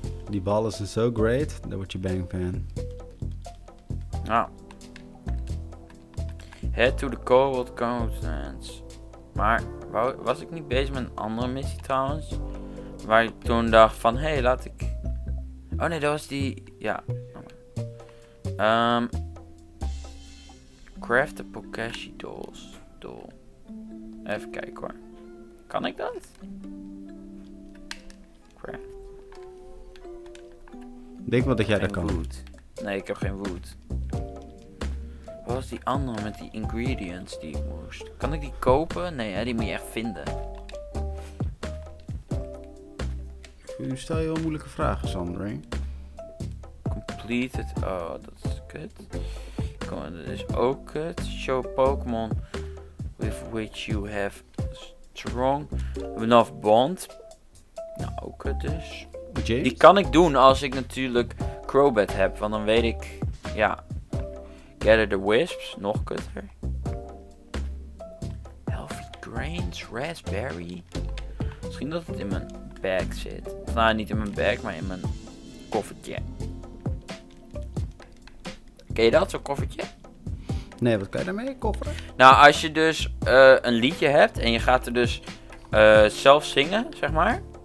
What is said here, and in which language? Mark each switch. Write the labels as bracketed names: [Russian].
[Dutch] Die ballen zijn zo great, daar word je bang van. Nou. [English] Head to the cobalt continents. [Dutch] Maar was ik niet bezig met een andere missie trouwens? Waar ik toen dacht van, hey, laat ik... Oh nee, dat was die... Ja. [English] Craft the Pokashi dolls. Doll. [Dutch] Even kijken hoor. Kan ik dat? [English] Craft. [Dutch] Denk wat dat jij dat kan. Wood. Nee, ik heb geen wood. Wat was die andere met die ingredients die ik moest? Kan ik die kopen? Nee, hè, die moet je echt vinden. Nu stel je wel moeilijke vragen, Sandring. Completed. Oh, dat is kut. Kom, dat is ook kut. [English] Show Pokémon with which you have strong enough bond. [Dutch] Nou, ook kut dus. James? Die kan ik doen als ik natuurlijk Crobat heb, want dan weet ik... Ja. [English] Gather the Wisps, [Dutch] nog kutter. [English] Healthy Grains, Raspberry. [Dutch] Misschien dat het in mijn bag zit. Nou, niet in mijn bag, maar in mijn koffertje. Ken je dat, zo'n koffertje? Nee, wat kan je daarmee, koffer? Nou, als je dus een liedje hebt en je gaat er dus zelf zingen, zeg maar.